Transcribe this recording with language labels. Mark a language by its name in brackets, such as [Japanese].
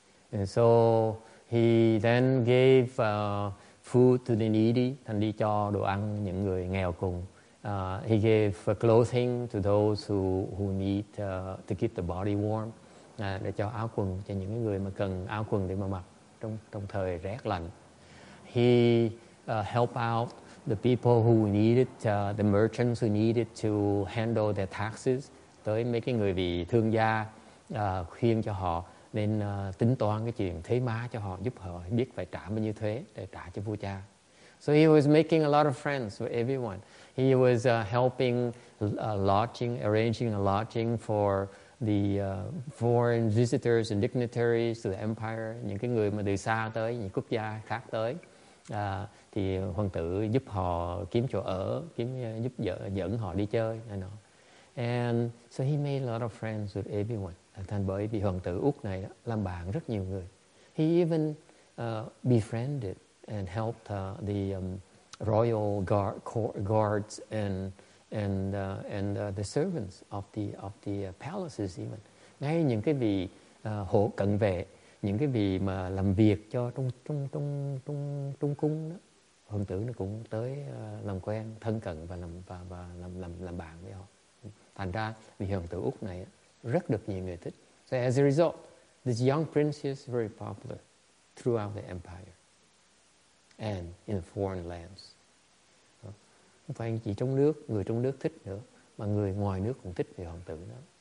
[English] And so he then gave food to the needy, [Vietnamese] thành đi cho đồ ăn những người nghèo cùng. [English] He gave clothing to those who need to keep the body warm, [Vietnamese] để cho áo quần cho những người mà cần áo quần để mà mặc trong thời rét lạnh. [English] He helped out the people who needed the merchants who needed to handle their taxes. [Vietnamese] Tới mấy cái người vị thương gia khuyên cho họ nên tính toán cái chuyện thuế má cho họ, giúp họ biết phải trả bao nhiêu thuế để trả cho vua cha. [English] So he was making a lot of friends with everyone. He was helping lodging, arranging a lodging for the foreign visitors and dignitaries to the empire, [Vietnamese] những cái người mà từ xa tới, những quốc gia khác tới. Thì hoàng tử giúp họ kiếm chỗ ở, kiếm giúp vợ dẫn họ đi chơi, [English] you know. And so he made a lot of friends with everyone. [Vietnamese] Thành bởi vì hoàng tử Úc này làm bạn rất nhiều người. [English] He even befriended and helped the royal guards and the servants of the palaces even. [Vietnamese] Ngay những cái vị hộ cận vệ, những cái vị mà làm việc cho trong cung đó, hoàng tử nó cũng tới làm quen, thân cận và làm bạn với họ. Thành ra vị hoàng tử Úc này rất được nhiều người thích. [English] So as a result, this young prince is very popular throughout the empire and in foreign lands. [Vietnamese] Không phải chỉ trong nước, người trong nước thích nữa, mà người ngoài nước cũng thích vị hoàng tử đó.